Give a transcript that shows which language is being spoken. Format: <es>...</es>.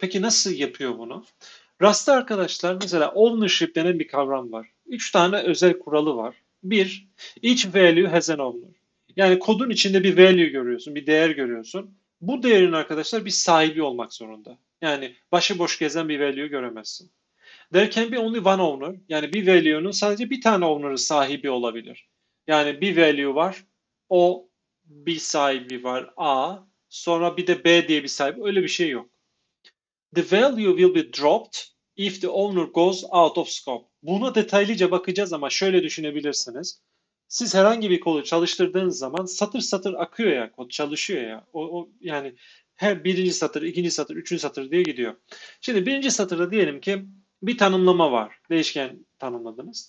<tr>Peki nasıl yapıyor bunu? Rust'ta arkadaşlar mesela ownership denen bir kavram var. Üç tane özel kuralı var.</tr> <en>Bir, each value has an owner.</en> <tr>Yani kodun içinde bir value görüyorsun, bir değer görüyorsun. Bu değerin arkadaşlar bir sahibi olmak zorunda. Yani başıboş gezen bir value göremezsin.</tr> <en>There can be only one owner.</en> <tr>Yani bir value'nun sadece bir tane owner'ı sahibi olabilir. Yani bir value var. O bir sahibi var. A. Sonra bir de B diye bir sahibi. Öyle bir şey yok.</tr> <en>The value will be dropped if the owner goes out of scope.</en> <tr>Buna detaylıca bakacağız ama şöyle düşünebilirsiniz. Siz herhangi bir kodu çalıştırdığınız zaman satır satır akıyor ya kod çalışıyor ya. O yani her birinci satır, ikinci satır, üçüncü satır diye gidiyor. Şimdi birinci satırda diyelim ki bir tanımlama var. Değişken tanımladınız.</tr>